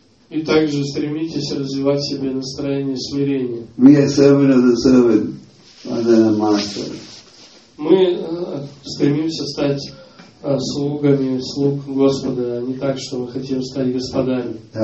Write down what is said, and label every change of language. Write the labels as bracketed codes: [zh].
[ru] И также стремитесь развивать в себе настроение смирения. [en] We are servant of the servant, rather than a master. [ru] Мы стремимся стать слугами слуг Господа, а не так, что мы хотим стать господами.